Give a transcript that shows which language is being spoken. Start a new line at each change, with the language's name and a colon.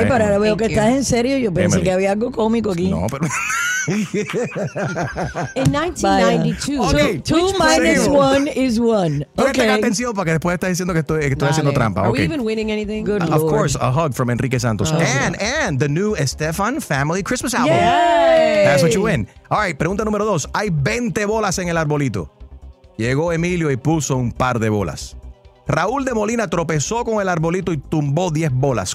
Spanish: Ok, pero ahora veo que estás en serio. Yo pensé que había algo cómico aquí. No, pero.
English: En 1992, 2 minus 1 is 1. Okay.
Spanish: Pongan atención para que después estés diciendo que estoy haciendo trampa.
English: Are we even winning anything? Good Lord. Of course, a hug from Enrique Santos. Oh, and the new Estefan Family Christmas album. Yay! That's what you win. All right,
Spanish: pregunta número 2. Hay 20 bolas en el arbolito. Llegó Emilio y puso un par de bolas. Raúl de Molina tropezó con el arbolito y tumbó 10 bolas.